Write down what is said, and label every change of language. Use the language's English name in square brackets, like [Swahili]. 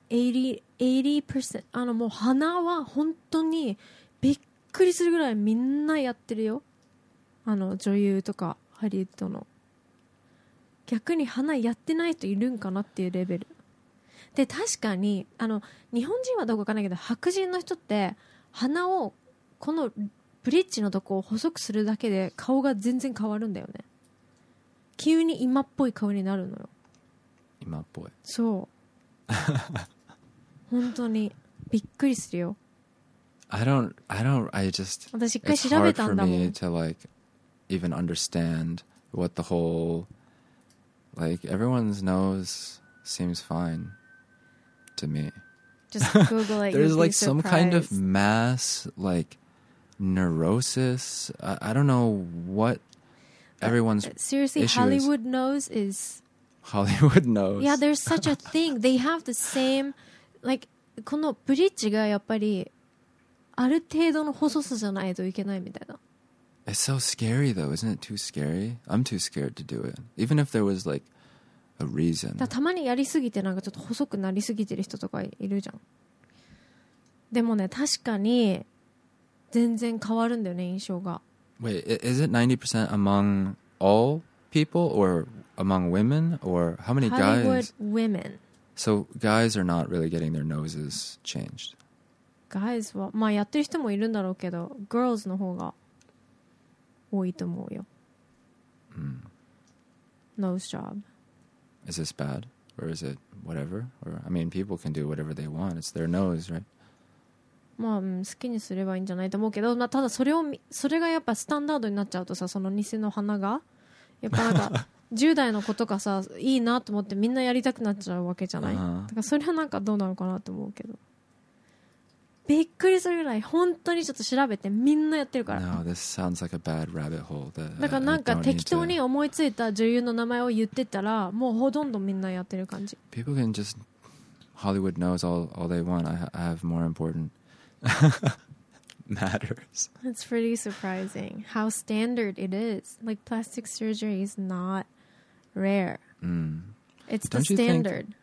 [Japanese] 80% あのもう鼻は本当にびっくりするぐらいみんなやってるよあの女優とかハリウッドの逆に鼻やってない人いるんかなっていうレベルで確かにあの日本人はどうかわかんないけど白人の人って鼻をこのブリッジのとこを細くするだけで顔が全然変わるんだよね急に今っぽい顔になるのよ今っぽいそう本当にびっくりするよ。 [English] I just [Japanese] 私一回調べたんだもん。 [English] It's hard for me to like even understand what the whole like everyone's nose seems fine to me. Just Google it. There's like some kind of mass like neurosis. I don't know what everyone's seriously issue Hollywood is. Nose is. Hollywood nose. Yeah, there's such a thing. They have the same. [Japanese] Like, このブリッジがやっぱりある程度の細さじゃないといけないみたいな。 [English] It's so scary though, isn't it too scary? I'm too scared to do it. Even if there was like a reason. [Japanese] たまにやりすぎてなんかちょっと細くなりすぎてる人とかいるじゃん。でもね、確かに全然変わるんだよね、印象が。 [English] Wait, is it 90% among all people or among women? Or how many guys? Hollywood women. So guys are not really getting their noses changed. [Japanese] Guys は、まあやってる人もいるんだろうけど、girls の方が多いと思うよ。 Mm. [English] Nose job. Is this bad? Or is it whatever? Or, I mean, people can do whatever they want. It's their nose, right? [Japanese] まあ、うん、好きにすればいいんじゃないと思うけど、まあ、ただそれがやっぱスタンダードになっちゃうとさ、その偽の鼻が、やっぱなんか、10代の子とかさいいなと思ってみんなやりたくなっちゃうわけじゃない、uh-huh. だからそれはなんかどうなのかなと思うけどびっくりするぐらい本当にちょっと調べてみんなやってるから [English] No, this sounds like a bad rabbit hole that [Japanese] だからなんか適当に思いついた女優の名前を言ってたらもうほとんどみんなやってる感じ [English] People can just Hollywood knows all they want I have more important matters It's pretty surprising how standard it is like plastic surgery is notRare. Mm. It's the standard.